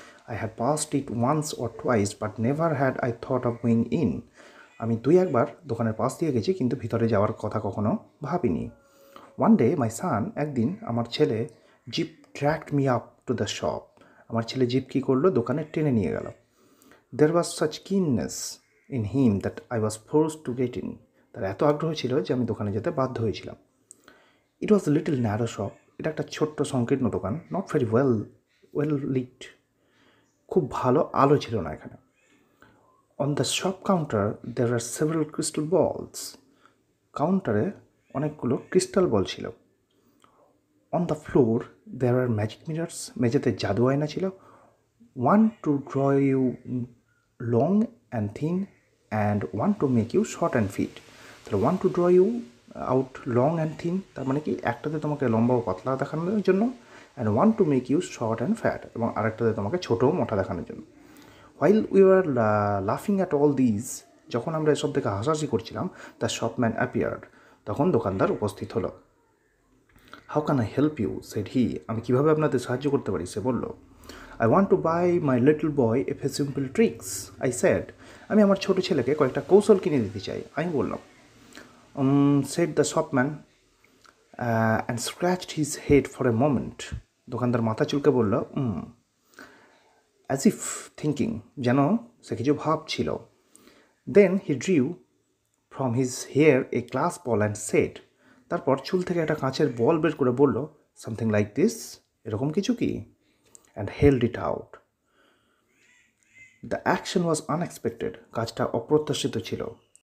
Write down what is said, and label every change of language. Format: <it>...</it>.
<en>I had passed it once or twice but never had I thought of going in,</en> <bn>আমি দুই একবার দোকানের পাশ দিয়ে গেছি কিন্তু ভিতরে যাওয়ার কথা কখনো ভাবিনি।</bn> <en>one day my son,</en> <bn>একদিন আমার ছেলে</bn> <en>zip tracked me up to the shop,</en> <bn>আমার ছেলে জিপ কী করলো দোকানে টেনে নিয়ে গেল।</bn> <en>There was such keenness in him that I was forced to get in.</en> <bn>তার এত আগ্রহ ছিল যে আমি দোকানে যেতে বাধ্য হয়েছিলাম।</bn> <en>it was little narrow shop,</en> <bn>এটা একটা ছোট্ট সংকীর্ণ দোকান,</bn> <en>not very well lit,</en> <bn>খুব ভালো আলো ছিল না এখানে।</bn> <en>on the shop counter there are several crystal balls,</en> <bn>কাউন্টারে অনেকগুলো ক্রিস্টাল বল ছিল।</bn> <en>on the floor there are magic mirrors,</en> <bn>মেঝেতে জাদু আয়না ছিল।</bn> <en>One to draw you long and thin and one to make you short and fit.</en> <bn>তাহলে</bn> <en>one to draw you out long and thin,</en> <bn>তার মানে কি একটাতে তোমাকে লম্বা ও পাতলা দেখানোর জন্য,</bn> <en>and one to make you short and fat,</en> <bn>এবং আরেকটাতে তোমাকে ছোটো ও মোটা দেখানোর জন্য।</bn> <en>While we were laughing at all these,</en> <bn>যখন আমরা এসব দেখে হাসাহাসি করছিলাম,</bn> <en>the shopman appeared,</en> <bn>তখন দোকানদার উপস্থিত হলো।</bn> <en>How can I help you? said he,</en> <bn>আমি কীভাবে আপনাদের সাহায্য করতে পারি সে বললো।</bn> <en>I want to buy my little boy a few simple tricks, I said.</en> <bn>আমি আমার ছোটো ছেলেকে কয়েকটা কৌশল কিনে দিতে চাই, আমি বললাম।</bn> <en>Said the shopman and scratched his head for a moment.</en> <bn>দোকানদার মাথা চুলকে বলল,</bn> <en>As if thinking,</en> <bn>যেন সে কিছু ভাবছিল।</bn> <en>Then he drew from his hair a glass ball and said,</en> <bn>তারপর চুল থেকে একটা কাঁচের বল বের করে বলল,</bn> <en>Something like this,</en> <bn>এরকম কিছু কি?</bn> <en>And held it out. The action was unexpected.</en> <bn>Kajta oprotoshito chilo.</bn>